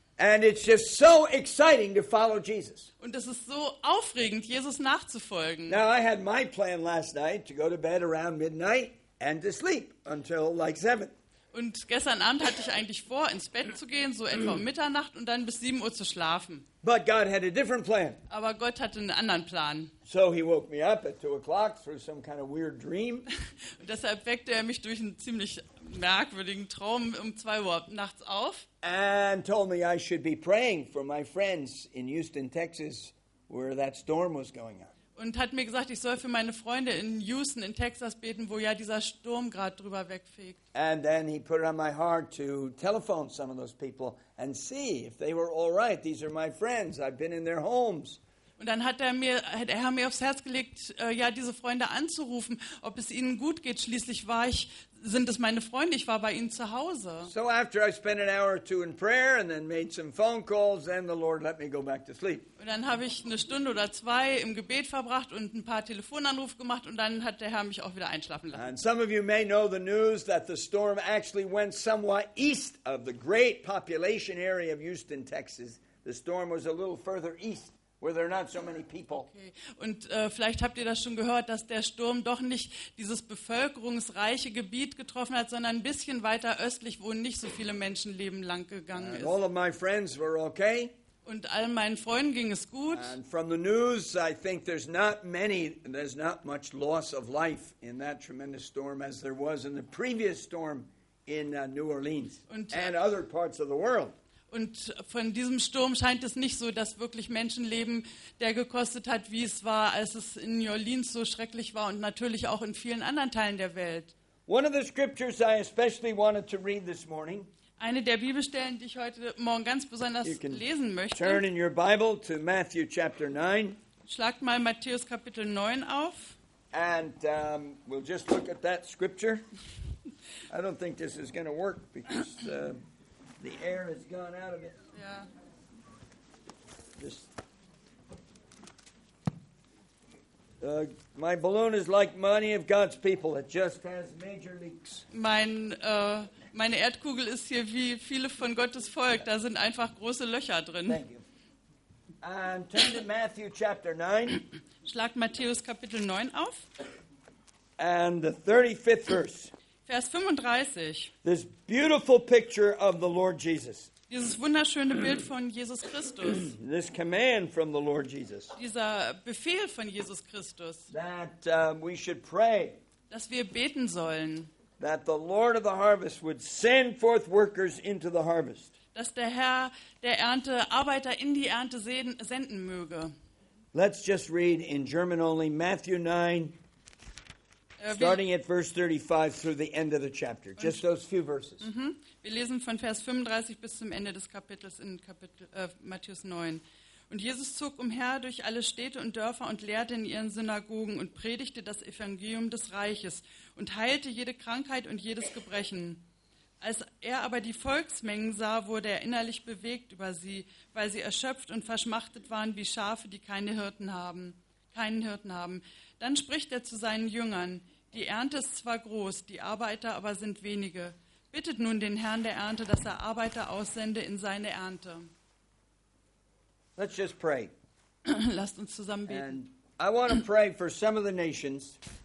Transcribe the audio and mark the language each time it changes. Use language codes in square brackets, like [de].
[en] And it's just so exciting to follow Jesus. [de] Und es ist so aufregend, Jesus nachzufolgen. [en] Now I had my plan last night to go to bed around midnight and to sleep until like 7. [de] Und gestern Abend hatte ich eigentlich vor, ins Bett zu gehen, so etwa um Mitternacht und dann bis 7 Uhr zu schlafen. [en] But God had a different plan. [de] Aber Gott hatte einen anderen Plan. [en] So he woke me up at 2 o'clock through some kind of weird dream. [de] Und deshalb weckte er mich durch einen ziemlich merkwürdigen Traum um 2 Uhr nachts auf. [en] And told me I should be praying for my friends in Houston, Texas, where that storm was going on. [de] Und hat mir gesagt, ich soll für meine Freunde in Houston in Texas beten, wo ja dieser Sturm gerade drüber wegfegt. [en] And then he put it on my heart to telephone some of those people and see if they were all right. These are my friends. I've been in their homes. [de] Und dann hat er mir aufs Herz gelegt, ja, diese Freunde anzurufen, ob es ihnen gut geht. Schließlich sind es meine Freunde. Ich war bei ihnen zu Hause. [en] So after I spent an hour or two in prayer and then made some phone calls, then the Lord let me go back to sleep. [de] Und dann habe ich eine Stunde oder zwei im Gebet verbracht und ein paar Telefonanrufe gemacht und dann hat der Herr mich auch wieder einschlafen lassen. [en] And some of you may know the news that the storm actually went somewhat east of the great population area of Houston, Texas. The storm was a little further east where there are not so many people. Okay. [de] Und vielleicht habt ihr das schon gehört, dass der Sturm doch nicht dieses bevölkerungsreiche Gebiet getroffen hat, sondern ein bisschen weiter östlich, wo nicht so viele Menschen leben, lang gegangen ist. [en] All of my friends were okay. [de] Und all meinen Freunden ging es gut. [en] And from the news, I think there's not much loss of life in that tremendous storm as there was in the previous storm in New Orleans and other parts of the world. [de] Und von diesem Sturm scheint es nicht so, dass wirklich Menschenleben der gekostet hat, wie es war, als es in New Orleans so schrecklich war und natürlich auch in vielen anderen Teilen der Welt. [en] One of the scriptures I especially wanted to read this morning. [de] Eine der Bibelstellen, die ich heute Morgen ganz besonders lesen möchte. [en] Turn in your Bible to Matthew chapter 9. [de] Schlagt mal Matthäus Kapitel 9 auf. [en] And we'll just look at that scripture. I don't think this is going to work because the air has gone out of it. Yeah. My balloon is like many of God's people. It just has major leaks. [de] Meine Erdkugel ist hier wie viele von Gottes Volk. Da sind einfach große Löcher drin. [en] Thank you. And turn to Matthew chapter 9. [de] Schlag Matthäus Kapitel 9 auf. [en] And the 35th verse. [de] Vers 35. [en] This beautiful picture of the Lord Jesus. [de] Dieses wunderschöne Bild von Jesus Christus. [en] This command from the Lord Jesus. [de] Dieser Befehl von Jesus Christus. [en] That we should pray. [de] Dass wir beten sollen. [en] That the Lord of the harvest would send forth workers into the harvest. [de] Dass der Herr der Ernte Arbeiter in die Ernte senden möge. [en] Let's just read in German only Matthew 9. Starting at verse 35 through the end of the chapter. Und just those few verses. [de] Wir lesen von Vers 35 bis zum Ende des Kapitels in Matthäus 9. Und Jesus zog umher durch alle Städte und Dörfer und lehrte in ihren Synagogen und predigte das Evangelium des Reiches und heilte jede Krankheit und jedes Gebrechen. Als er aber die Volksmengen sah, wurde er innerlich bewegt über sie, weil sie erschöpft und verschmachtet waren wie Schafe, die keinen Hirten haben. Dann spricht er zu seinen Jüngern: Die Ernte ist zwar groß, die Arbeiter aber sind wenige. Bittet nun den Herrn der Ernte, dass er Arbeiter aussende in seine Ernte. [en] Let's just pray. [de] Lasst uns zusammen beten. [en] And I want to pray for some of the nations.